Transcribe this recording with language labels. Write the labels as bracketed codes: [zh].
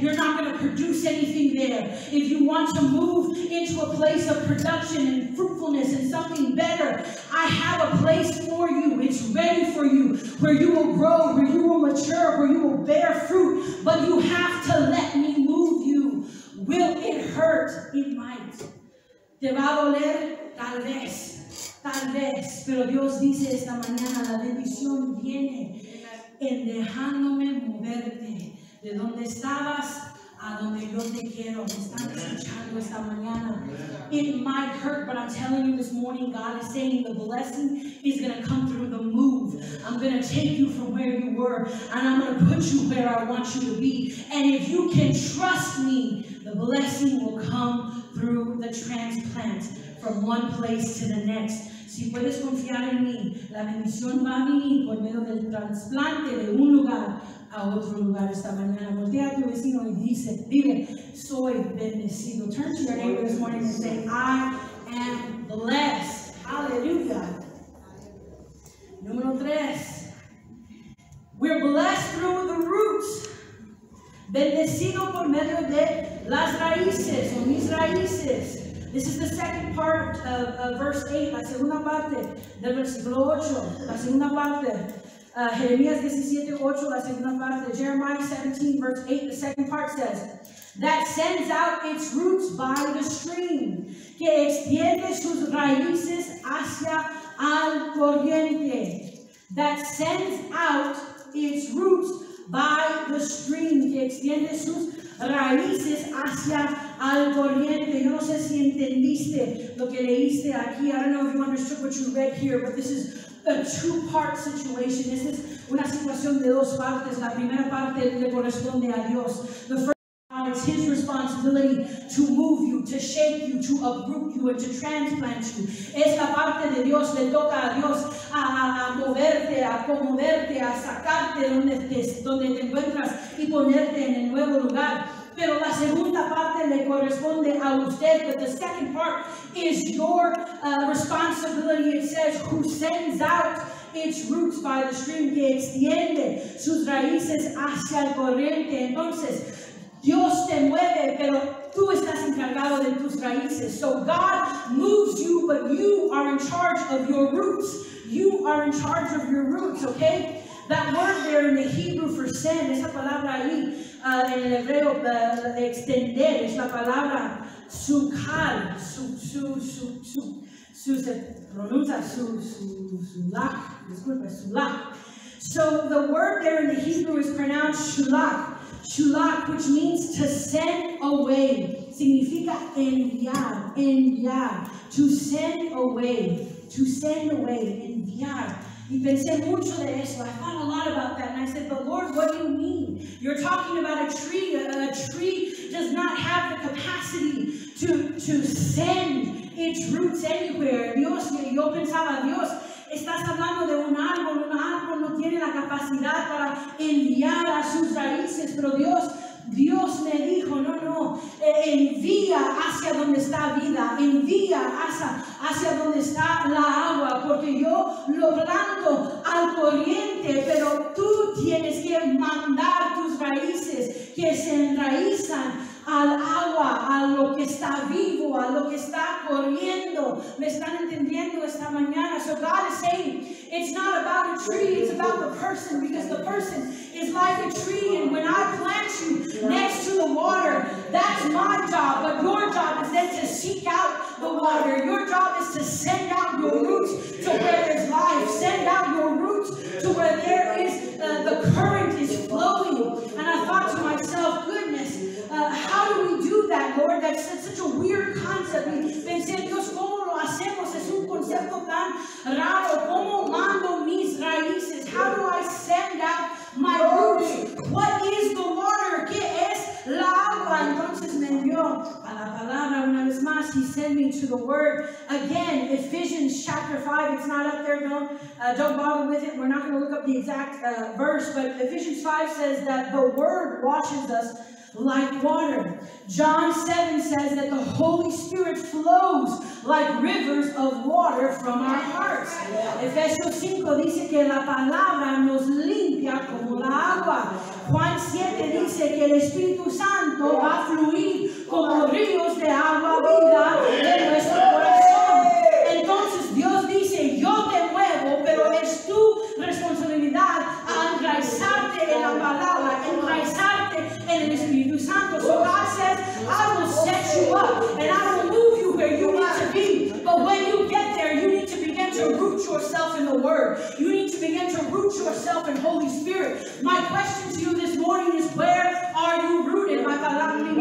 [en] You're not going to produce anything there. If you want to move into a place of production and fruitfulness and something better, I have a place for you. It's ready for you, where you will grow, where you will mature, where you will bear fruit. But you have to let me move you. Will it hurt? It might. [es] ¿Te va a doler? Tal vez, pero Dios dice esta mañana, la bendición viene en dejándome moverte de donde estabas a donde yo te quiero. Me están escuchando esta mañana. [en] It might hurt, but I'm telling you this morning, God is saying the blessing is going to come through the move. I'm going to take you from where you were, and I'm going to put you where I want you to be. And if you can trust me, the blessing will come through the transplant from one place to the next. [es] Si puedes confiar en mí, la bendición va a venir por medio del trasplante de un lugar a otro lugar esta mañana. Voltea a tu vecino y dice, dile, soy bendecido. [en] Turn to your neighbor this morning and say, I am blessed. [es] Hallelujah. Número tres. [en] We're blessed through the roots. [es] Bendecido por medio de las raíces, o mis raíces. [en] This is the second part of verse 8, [es] la segunda parte del versículo 8, la segunda parte. Jeremías 17, 8, la segunda parte. [en] Jeremiah 17, verse 8, the second part says, that sends out its roots by the stream, [es] que extiende sus raíces hacia al corriente. [en] That sends out its roots by the stream, [es] que extiende sus raíces hacia al corriente. Yo no sé si entendiste lo que leíste aquí. [en] I don't know if you understood what you read here, but this is a two-part situation. This is [es] una situación de dos partes. La primera parte le corresponde a Dios. [en] The first part is His responsibility to move you, to shape you, to uproot you, and to transplant you. [es] Esta parte de Dios le toca a Dios a moverte, a conmoverte, a sacarte donde te encuentras y ponerte en el nuevo lugar. Pero la segunda parte le corresponde a usted. [en] But the second part is your responsibility. It says, who sends out its roots by the stream, [es] que extiende sus raíces hacia el corriente. Entonces, Dios te mueve, pero tú estás encargado de tus raíces. [en] So God moves you, but you are in charge of your roots. You are in charge of your roots, okay? That word there in the Hebrew for send, [es] esa palabra ahí, en el hebreo, de extender, es la palabra sukal, sulak. [en] So the word there in the Hebrew is pronounced shulak, which means to send away, [es] significa enviar, [en] to send away, [es] enviar. Y pensé mucho de eso. [en] I thought a lot about that. And I said, but Lord, what do you mean? You're talking about a tree. A tree does not have the capacity to send its roots anywhere. [es] Dios, yo pensaba, Dios, estás hablando de un árbol. Un árbol no tiene la capacidad para enviar a sus raíces. Pero Dios me dijo, no, envía hacia donde está vida, envía hacia donde está la agua, porque yo lo planto al corriente, pero tú tienes que mandar tus raíces que se enraizan al agua, a lo que está vivo, a lo que está corriendo. ¿Me están entendiendo esta mañana? [en] So God is saying, it's not about a tree, it's about the person, because the person is like a tree, and when I plant you next to the water, that's my job, but your job is then to seek out the water. Your job is to send out your roots to where there's life. Send out your roots to where there is the current is flowing. And I thought to myself, goodness, how do we do that, Lord? That's such a weird concept. [es] Pensé, Dios, ¿cómo lo hacemos? Es un concepto tan raro. ¿Cómo mando mis raíces? [en] How do I send out my roots? What is the water? [es] ¿Qué es la agua? Entonces me envió a la palabra una vez más. [en] He sent me to the word. Again, Ephesians chapter 5. It's not up there. Don't bother with it. We're not going to look up the exact verse. But Ephesians 5 says that the word washes us like water. John 7 says that the Holy Spirit flows like rivers of water from our hearts. [es] Efesios 5 dice que la palabra nos limpia como la agua. Juan 7 dice que el Espíritu Santo va a fluir como ríos de agua viva en nuestro corazón. Entonces Dios dice, yo te muevo, pero es tu responsabilidad a enraizarte en la palabra, enraizarte en el Espíritu Santo. [en] So God says, I will set you up and I will move you where you need to be. But when you get there, you need to begin to root yourself in the Word. You need to begin to root yourself in Holy Spirit. My question to you this morning is, where are you rooted? My palabra